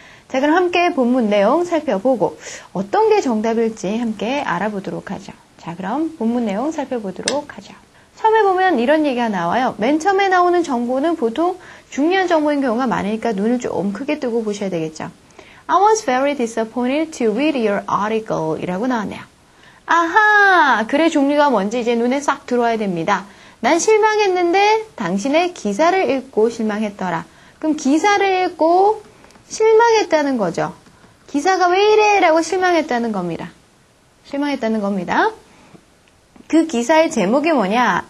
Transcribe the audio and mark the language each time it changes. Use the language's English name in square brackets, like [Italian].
[Korean] 자, 그럼 함께 본문 내용 살펴보고 어떤 게 정답일지 함께 알아보도록 하죠. 자, 그럼 본문 내용 살펴보도록 하죠. 처음에 보면 이런 얘기가 나와요. 맨 처음에 나오는 정보는 보통 중요한 정보인 경우가 많으니까 눈을 좀 크게 뜨고 보셔야 되겠죠. [English] I was very disappointed to read your article [Korean] 이라고 나왔네요. 아하! 글의 종류가 뭔지 이제 눈에 싹 들어와야 됩니다. 난 실망했는데 당신의 기사를 읽고 실망했더라. 그럼 기사를 읽고 실망했다는 거죠. 기사가 왜 이래? 라고 실망했다는 겁니다. 실망했다는 겁니다. 그 기사의 제목이 뭐냐?